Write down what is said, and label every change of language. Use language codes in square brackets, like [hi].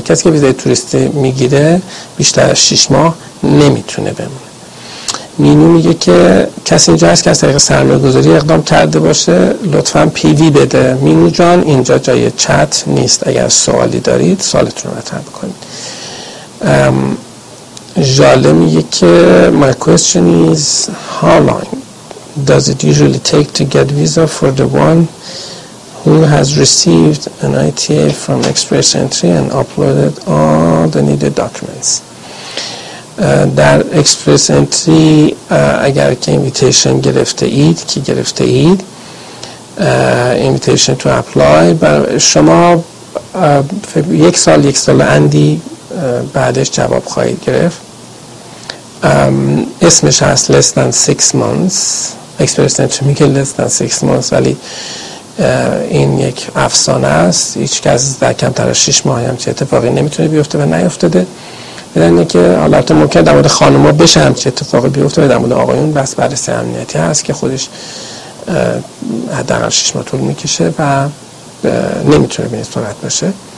[fa] کسی که ویزای توریستی میگیره بیشتر از 6 ماه نمیتونه بمونه. مینو میگه که کسی اینجا هست که از طریق سرمایه گذاری اقدام کرده باشه لطفاً پیوی بده. مینو جان اینجا جای چت نیست، اگر سوالی دارید سوالتون رو مطرح بکنید. جاله میگه که [en] my question is how long does it usually take to get visa for the one who has received an ITA from Express Entry and uploaded all the needed documents. [fa] در اکسپرس انتری اگر که اینویتیشن گرفته اید که گرفته اید اینویتیشن تو اپلای شما یک سال اندی بعدش جواب خواهید گرفت. اسمش هست [en] less than 6 months. [fa] اکسپرس انتری میگه [en] less than 6 months [fa] ولی این یک افسانه است. هیچ کس در کمتر از 6 ماه هم چه اتفاقی نمیتونه بیفته و نیفتده. بدنه که حالت ممکن در مورد خانم ها بشه هم چه اتفاقی بیفته و در مورد آقایون بس بررسی امنیتی هست که خودش حداقل 6 ماه طول میکشه و نمیتونه به این صورت باشه.